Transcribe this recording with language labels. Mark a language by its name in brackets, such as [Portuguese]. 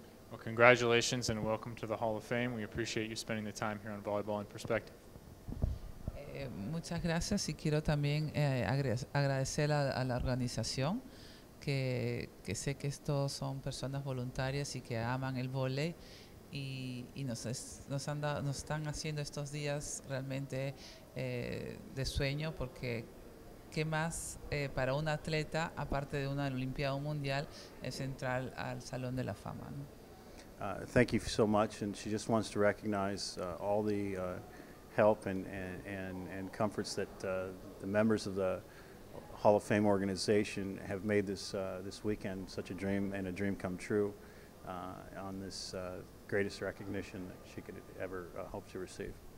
[English] Well, congratulations and welcome to the Hall of Fame. We appreciate you spending the time here on Volleyball in Perspective. [Spanish] Muchas gracias, y quiero también agradecer a la organización, que sé que estos son personas voluntarias y que aman el volei. Y nos están haciendo estos días realmente de sueño, porque qué más para un atleta, aparte de una Olimpiada Mundial, es entrar al Salón de la Fama. ¿No? [English] Thank you so much, and she just wants to recognize all the help and comforts that the members of the Hall of Fame organization have made this weekend such a dream and a dream come true on this greatest recognition that she could ever hope to receive.